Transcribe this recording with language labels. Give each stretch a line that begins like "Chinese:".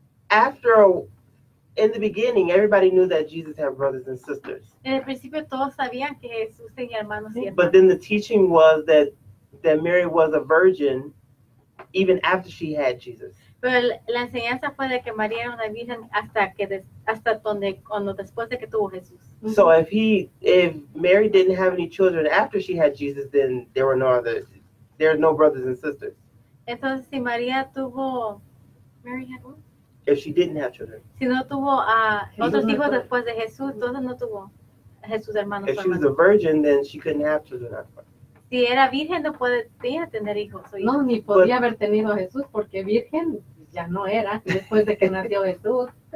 English: In the beginning, everybody knew that Jesus had brothers and sisters.
Spanish: En el principio, todos sabían que Jesús tenía hermanos y hermanas.
English: But then the teaching was that Mary was a virgin even after she had Jesus.
Spanish: Pero la enseñanza fue de que María era una virgen hasta después de que tuvo Jesús.
English: So if Mary didn't have any children after she had Jesus, then there are no brothers and sisters.
Spanish: Entonces, si María tuvo...
English: Mary had what? If she didn't have children.
Spanish: Si no tuvo otros hijos después de Jesús, entonces no tuvo Jesús hermanos.
English: If she was a virgin, then she couldn't have children.
Spanish: Si era virgen, no podía tener hijos. No, ni podía haber tenido Jesús, porque virgen ya no era después de que nació Jesús.